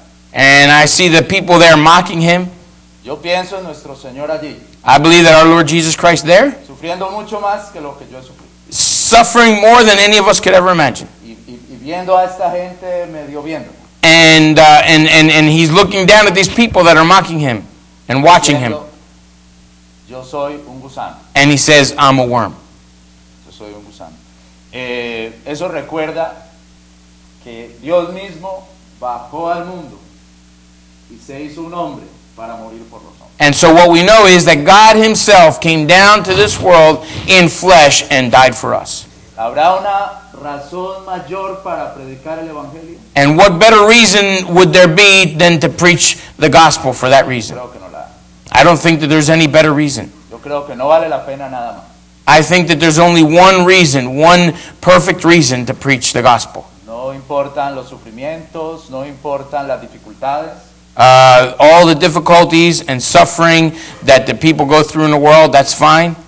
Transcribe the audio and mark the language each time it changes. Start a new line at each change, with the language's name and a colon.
English: And I see the people there mocking him.
Spanish: Yo pienso en nuestro Señor allí.
English: I believe that our Lord Jesus Christ there,
Spanish: sufriendo mucho más que lo que yo he sufrido.
English: Suffering more than any of us could ever imagine.
Spanish: Y viendo a esta gente medio viendo.
English: And he's looking down at these people that are mocking him and watching him.
Spanish: Yo soy un gusano.
English: And he says, I'm a worm.
Spanish: Yo soy un gusano. Eso recuerda que Dios mismo bajó al mundo y se hizo un hombre para morir por los hombres.
English: And so what we know is that God himself came down to this world in flesh and died for us.
Spanish: ¿Habrá una razón mayor para predicar el evangelio?
English: And what better reason would there be than to preach the gospel for that reason?
Spanish: Creo que no.
English: I don't think that there's any better reason.
Spanish: Yo creo que no vale la pena nada más.
English: I think that there's only one reason, one perfect reason to preach the gospel.
Spanish: No importan los sufrimientos, no importan las dificultades.
English: All the difficulties and suffering that the people go through in the world, that's fine.